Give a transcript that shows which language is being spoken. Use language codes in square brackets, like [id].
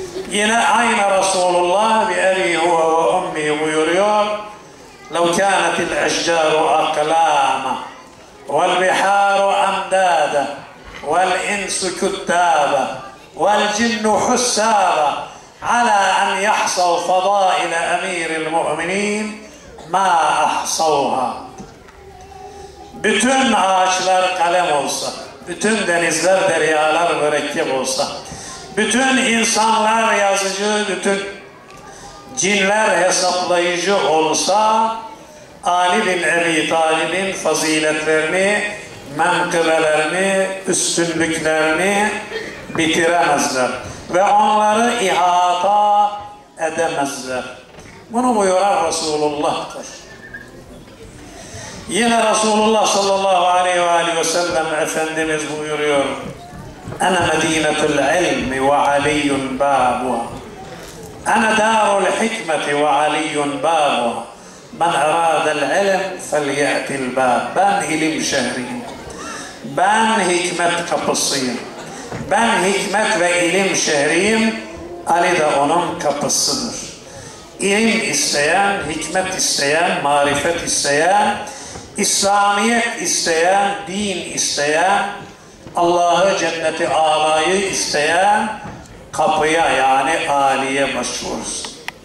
[tr] Yine aynı Resulullah [ar] بِأَلِي هُوَ وَاُمِّي [tr] buyuruyor, [ar] لَوْ كَانَتِ الْاَشْجَارُ اَقْلَامَ وَالْبِحَارُ اَمْدَادَ والإنس كتابة والجن حسابة على أن يحصل فضائل أمير المؤمنين ما أحصوها. [tr] Bütün ağaçlar kalem olsa, bütün denizler deryalar mürekkep olsa, bütün insanlar yazıcı, bütün cinler hesaplayıcı olsa, Ali bin Ebi Talib'in faziletlerini, menkıbelerini, üstünlüklerini bitiremezler ve onları ihata edemezler. Bunu buyuran Resulullah'tır. Yine Resulullah sallallahu aleyhi ve aleyhi ve sellem Efendimiz buyuruyor, [ar] اَنَا مَد۪ينَةُ الْعِلْمِ وَعَلِيٌ بَابُهَا اَنَا دَارُ الْحِكْمَةِ وَعَلِيٌ بَابُهَا مَنْ اَرَادَ الْعِلْمِ فَلْيَأْتِ الْبَابِ [tr] Ben ilim şehriyim. Ben hikmet kapısıyım. Ben hikmet ve ilim şehriyim. Ali de onun kapısıdır. İlim isteyen, hikmet isteyen, marifet isteyen, İslamiyet isteyen, din isteyen, Allah'ı cenneti âlâyı isteyen kapıya, yani Ali'ye başvurur.